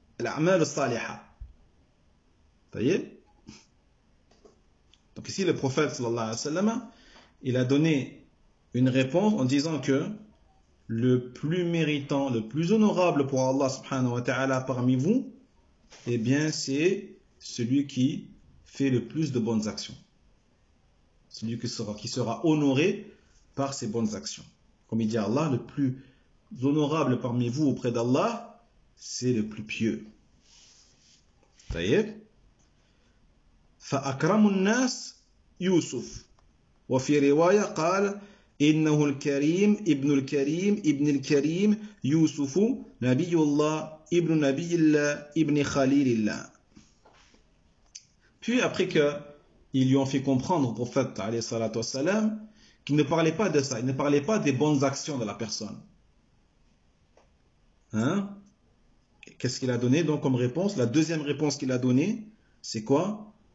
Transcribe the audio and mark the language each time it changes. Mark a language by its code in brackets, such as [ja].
[fr] L'amal saliha. D'ailleurs, donc ici, le prophète, sallallahu alayhi wa sallam, il a donné une réponse en disant que le plus méritant, le plus honorable pour Allah subhanahu wa ta'ala parmi vous, eh bien c'est celui qui fait le plus de bonnes actions. Celui qui sera honoré par ses bonnes actions. Comme il dit Allah, le plus honorable parmi vous auprès d'Allah, c'est le plus pieux. Ça y est. [ar] فَأَكْرَمُ النَّاسِ يُوسُفُ وفي رواية قال إنه الكريم ابن الكريم ابن الكريم يوسف نبي الله ابن نبي الله ابن خليل الله. [fr] Puis après qu'ils lui ont fait comprendre au prophète alayhi salatu wassalam qu'il ne parlait pas de ça, il ne parlait pas des bonnes actions de la personne. Hein? Qu'est-ce qu'il a donné donc comme réponse? La deuxième réponse qu'il a donnée, c'est quoi?